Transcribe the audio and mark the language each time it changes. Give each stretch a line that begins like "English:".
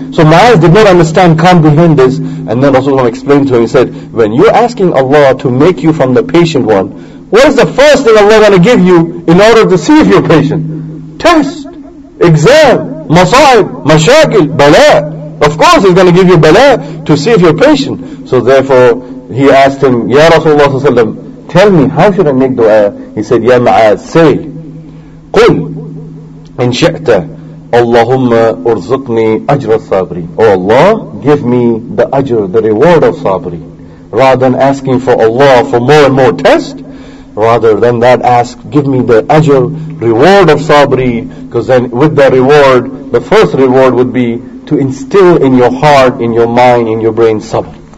English: So Ma'az did not understand, comprehend this. And then Rasulullah explained to him, he said, when you're asking Allah to make you from the patient one, what is the first thing Allah is going to give you in order to see if you're patient? Test, exam, masaib, mashakil, bala. Of course he's going to give you bala to see if you're patient. So therefore he asked him, Ya Rasulullah, tell me, how should I make dua? He said, Ya Ma'az, say,
Arabic: قُلْ إِنْ شَأْتَ اللَّهُمَّ أُرْزُقْنِي أَجْرَ الصَّابْرِ.
English: Oh Allah, give me the ajr, the reward of sabri. Rather than asking for Allah for more and more tests, rather than that, ask, give me the ajr, reward of sabri. Because then with the reward, the first reward would be to instill in your heart, in your mind, in your brain, sabr.